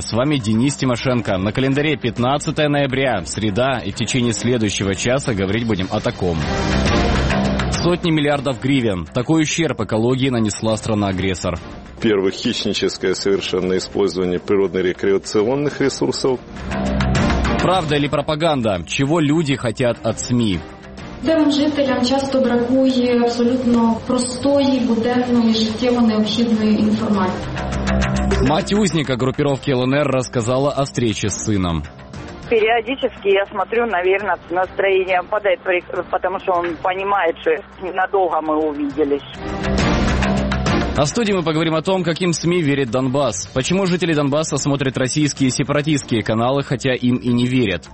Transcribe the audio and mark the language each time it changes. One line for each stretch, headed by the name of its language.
Russian: С вами Денис Тимошенко. На календаре 15 ноября, среда, и в течение следующего часа говорить будем о таком. Сотни миллиардов гривен. Такой ущерб экологии нанесла страна-агрессор. Во-первых, хищническое совершенно использование природно-рекреационных ресурсов. Правда или пропаганда? Чего люди хотят от СМИ?
Ukrainian: Дарим жителям часто бракує абсолютно простої, буденної, життєво необхідної інформації.
Russian: Мать узника группировки ЛНР рассказала о встрече с сыном. Периодически я смотрю, наверное, настроение падает, потому что он понимает, что ненадолго мы увиделись. А в студии мы поговорим о том, каким СМИ верит Донбасс. Почему жители Донбасса смотрят российские и сепаратистские каналы, хотя им и не верят?